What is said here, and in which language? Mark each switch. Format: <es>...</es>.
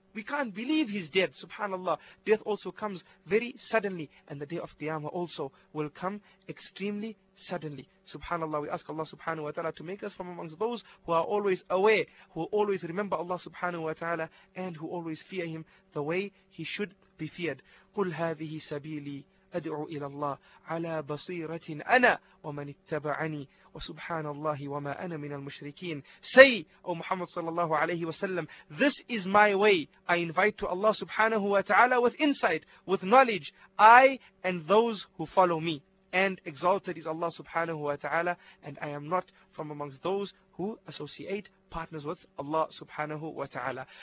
<en>We can't believe he's dead. Subhanallah. Death also comes very suddenly. And the day of Qiyamah also will come extremely suddenly. Subhanallah. We ask Allah subhanahu wa ta'ala to make us from amongst those who are always aware, who always remember Allah subhanahu wa ta'ala, and who always fear him the way he should be feared.</en> <ar>قُلْ هَذِهِ سَبِيلِي أدعو إلى الله على بصيرة أنا ومن اتبعني وسبحان الله وما أنا من المشركين.</ar> <en>Say, O Muhammad sallallahu alayhi wa sallam, this is my way. I invite to Allah subhanahu wa ta'ala with insight, with knowledge, I and those who follow me. And exalted is Allah subhanahu wa ta'ala, and I am not from amongst those who associate partners with Allah subhanahu wa ta'ala.</en>